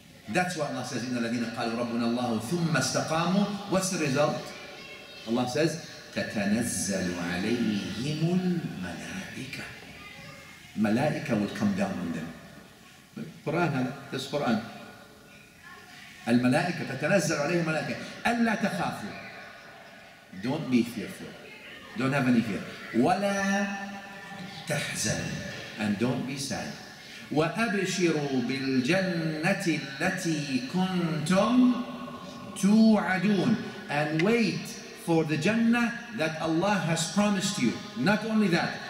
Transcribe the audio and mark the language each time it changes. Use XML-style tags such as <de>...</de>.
<en>That's what Allah says, إِنَّ الَّذِينَ قَالُوا رَبُّنَا اللَّهُ ثُمَّ اسْتَقَامُوا. What's the result? Allah says, تَتَنَزَّلُ عَلَيْهِمُ الْمَلَائِكَةُ. Malaika will come down on them. Quran, this Quran.</en> <ar>الْمَلَائِكَةُ تَتَنَزَّلُ عَلَيْهِمُ الْمَلَائِكَةُ. أَلَّا تَخَافُوا. Don't be fearful.</ar> <en>Don't have any fear. وَلَا تَحْزَنْ And don't be sad. وَأَبْشِرُوا بِالْجَنَّةِ الَّتِي كُنْتُمْ تُوْعَدُونَ And wait for the Jannah that Allah has promised you. Not only that.</en>